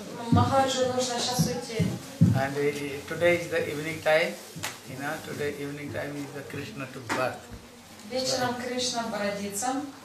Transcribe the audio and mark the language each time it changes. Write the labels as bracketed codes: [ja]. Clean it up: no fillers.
[ru] Махараджу нужно сейчас уйти. [en] And today is the evening time, you know, today evening time is the Krishna to birth. [ru] Вечером Кришна бородится.